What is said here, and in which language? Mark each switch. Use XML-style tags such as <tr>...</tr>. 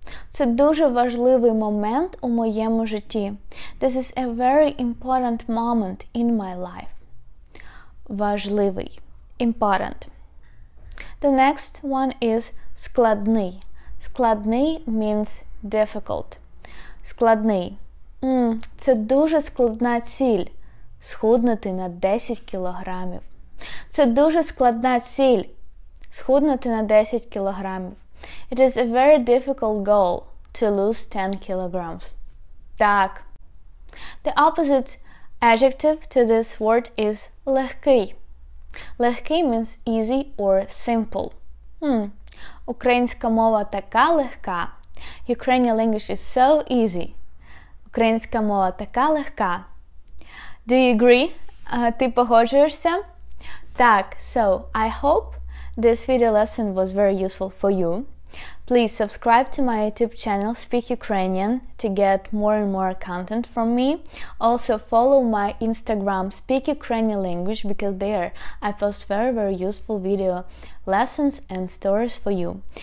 <uk>Це дуже важливий момент у моєму житті.</uk> <en>This is a very important moment in my life. Важливий. Important. The next one is складний. Складний means difficult. Складний.</en> <uk>Це дуже складна ціль – схуднути на 10 кілограмів. Це дуже складна ціль – схуднути на 10 кілограмів.</uk> <en>It is a very difficult goal to lose 10 kilograms. Так. The opposite adjective to this word is легкий. Легкий means easy or simple.</en> <uk>Українська мова така легка.</uk> <en>Ukrainian language is so easy.</en> <uk>Українська мова така легка.</uk> <en>Do you agree?</en> <uk>Ти погоджуєшся?</uk> <en>Так, so I hope this video lesson was very useful for you. Please subscribe to my YouTube channel Speak Ukrainian to get more and more content from me. Also follow my Instagram Speak Ukrainian Language because there I post very, very useful video lessons and stories for you.</en>